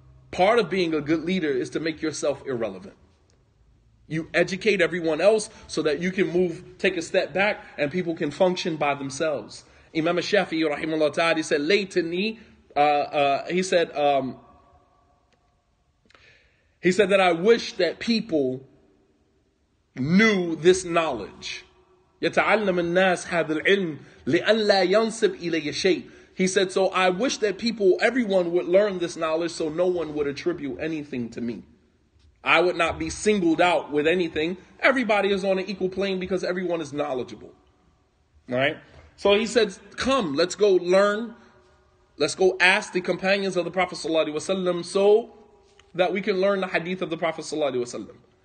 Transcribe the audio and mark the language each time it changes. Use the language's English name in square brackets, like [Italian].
[English] Part of being a good leader is to make yourself irrelevant. You educate everyone else so that you can move, take a step back, and people can function by themselves. Imam Shafi'i, rahimahullah ta'ala, he said, "Laytani," he said that I wish that people knew this knowledge. [Arabic] يتعلم الناس هذا العلم لئلا ينسب إليه شيء. [English] He said, so I wish that everyone would learn this knowledge so no one would attribute anything to me. I would not be singled out with anything. Everybody is on an equal plane because everyone is knowledgeable. All right? So he said, come, let's go learn. Let's go ask the companions of the Prophet Sallallahu Alaihi Wasallam so that we can learn the hadith of the Prophet Sallallahu Alaihi Wasallam.